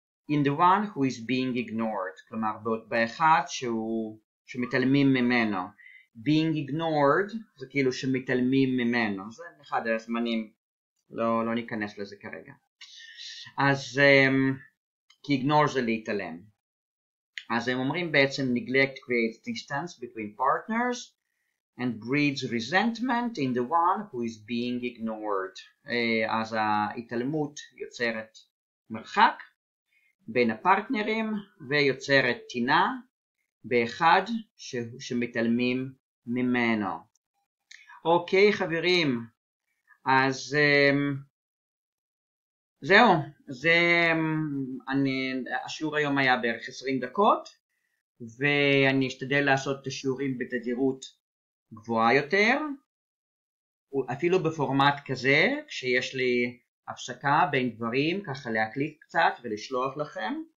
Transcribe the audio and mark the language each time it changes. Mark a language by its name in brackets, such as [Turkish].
[English] In the one who is being ignored, [Hebrew] כלומר באחד שמתעלמים ממנו. [English] Being ignored [Hebrew] זה כאילו שמתעלמים ממנו, זה אחד הזמנים, לא ניכנס לזה כרגע. אז כי ignore זה להתעלם. אז הם אומרים בעצם [English] neglect creates distance between partners and breeds resentment in the one who is being ignored. [Hebrew] אז ההתעלמות יוצרת מרחק בין הפרטנרים ויוצרת טינה באחד שמתעלמים ממנו. אוקיי חברים, אז זהו, זה אני, השיעור היום היה בערך 20 דקות ואני אשתדל לעשות את השיעורים בתדירות גבוהה יותר, אפילו בפורמט כזה כשיש לי הפסקה בין דברים, ככה להקליט קצת ולשלוח לכם,